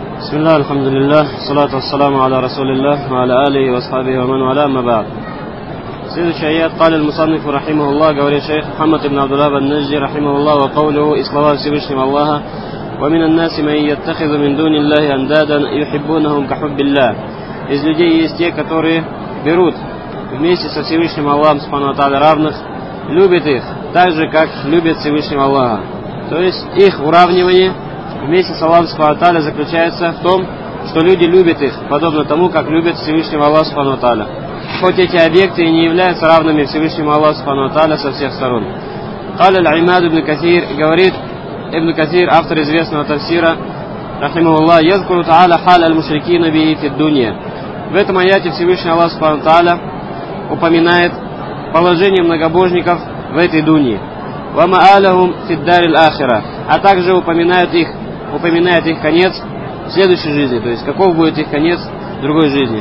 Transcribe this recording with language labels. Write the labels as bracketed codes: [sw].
[ar] بسم الله الحمد لله الصلاة والسلام على رسول الله وعلى آله وأصحابه ومن والاه ما بعد. سيد الشهيات قال المصنف رحمه الله قول الشيخ محمد بن عبد الله بن نجي رحمه الله وقوله إصلاح سبشم الله ومن الناس من يتخذ من دون الله أندادا يحبونهم كحب الله. [ru] Из людей есть те, которые берут вместе со Всевышним Аллахом [ar] سبحانه وتعالى [ru] равных, любят их так же, как любят Всевышнего Аллаха. То есть их уравнивание вместе с Аллахом [ar] سبحانه وتعالى [ru] заключается в том, что люди любят их подобно тому, как любят Всевышнего Аллаха سبحانه وتعالى. Хоть эти объекты и не являются равными Всевышнему Аллаху [ar] سبحانه وتعالى [ru] со всех сторон. [ar] قال العماد بن كثير, [ru] говорит Ибн Касир, автор известного тафсира, [ar] رحمه الله, يذكر تعالى حال المشركين به في الدنيا. [ru] В этом аяте Всевышний Аллах [ar] سبحانه وتعالى [ru] упоминает положение многобожников в этой дунии. [ar] وَمَآلَهُمْ فِي الدَّارِ الْآخِرَةِ, [ru] а также упоминает их конец в следующей жизни, то есть каков будет их конец в другой жизни.